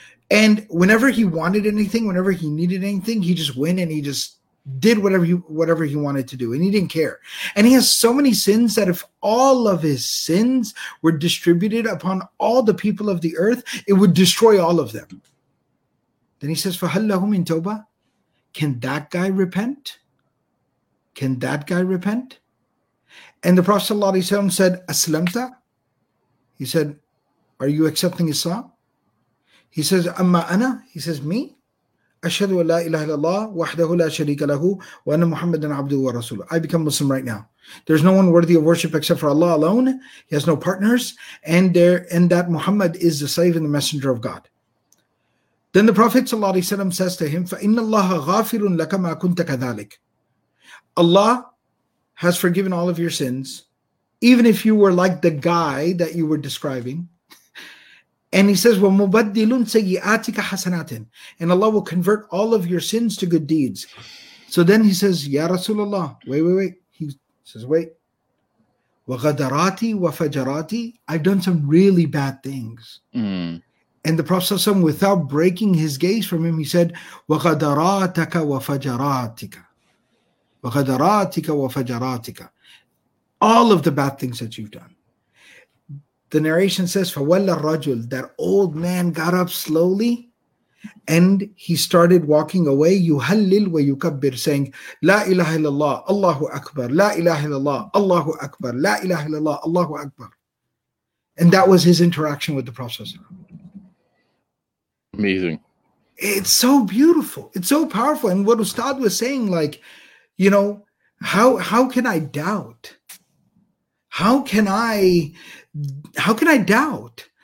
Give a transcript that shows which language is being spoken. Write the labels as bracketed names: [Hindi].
[English] And whenever he wanted anything, whenever he needed anything, he just went and he just did whatever he wanted to do. And he didn't care. And he has so many sins that if all of his sins were distributed upon all the people of the earth, it would destroy all of them. Then he says, [Arabic] فَهَلْ لَهُمْ مِنْ تَوْبَةٍ. [English] Can that guy repent? Can that guy repent? And the Prophet ﷺ said, [Arabic] أَسْلَمْتَ. [English] He said, are you accepting Islam? He says, [Arabic] أَمَّا أَنَا. [English] He says, me? [Arabic] أَشْهَدُ وَلَا إِلَهَ لَلَّهِ وَحْدَهُ لَا شَرِيكَ لَهُ وَأَنَّ مُحَمَّدًا عَبْدُهُ وَرَسُولُهُ. [English] I become Muslim right now. There's no one worthy of worship except for Allah alone. He has no partners. And that Muhammad is the slave and the messenger of God. Then the Prophet ﷺ says to him, [Arabic] فَإِنَّ اللَّهَ غَافِرٌ لَكَ مَا كُنْتَ كَذَلِكَ. [English] Allah has forgiven all of your sins, even if you were like the guy that you were describing. And he says, [Arabic] وَمُبَدِّلٌ سَيِّئَاتِكَ حَسَنَاتٍ. [English] And Allah will convert all of your sins to good deeds. So then he says, [Arabic] يَا رَسُولَ اللَّهِ. [English] Wait. He says, wait. [Arabic] وَغَدَرَاتِ وَفَجَرَاتِ. [English] I've done some really bad things. And the Prophet ﷺ, without breaking his gaze from him, he said, [Arabic] وَغَدَرَاتَكَ وَفَجَرَاتِكَ وَغَدَرَاتِكَ وَفَجَرَاتِكَ. [English] All of the bad things that you've done. The narration says, [Arabic] فَوَلَّ الرَّجُلُ. [English] That old man got up slowly and he started walking away, [Arabic] يُهَلِّلْ وَيُكَبِّرْ, [English] saying, [Arabic] لَا إِلَهَ إِلَّا اللَّهُ اللَّهُ أَكْبَرْ, لَا إِلَهَ إِلَّا اللَّهُ اللَّهُ أَكْبَرْ, لَا إِلَهَ إِلَّا اللَّهُ اللَّهُ أَكْبَرْ. [English] And that was his interaction with the Prophet ﷺ. Amazing. It's so beautiful. It's so powerful. And what Ustad was saying, like, you know, how can I doubt? How can I doubt?